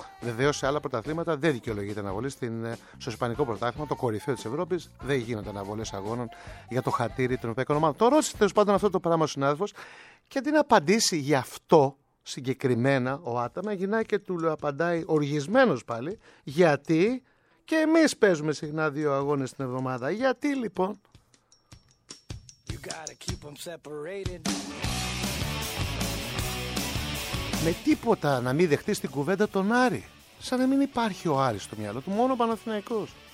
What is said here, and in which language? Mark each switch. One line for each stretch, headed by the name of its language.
Greek: Βεβαίως σε άλλα πρωταθλήματα δεν δικαιολογείται αναβολή. Στο Ισπανικό Πρωτάθλημα, το κορυφαίο της Ευρώπης, δεν γίνονται αναβολές αγώνων για το χατήρι των Ευρωπαϊκών ομάδων. Το ρώτησε τέλος πάντων αυτό το πράγμα ο συνάδελφος και αντί να απαντήσει γι' αυτό συγκεκριμένα ο Άταμα γυρνάει και του απαντάει οργισμένος πάλι, γιατί και εμείς παίζουμε συχνά δύο αγώνες την εβδομάδα. Γιατί λοιπόν?
English: You gotta keep them separated.
Greek: Με τίποτα να μην δεχτείς την κουβέντα τον Άρη. Σαν να μην υπάρχει ο Άρης στο μυαλό του, μόνο ο Παναθηναϊκός.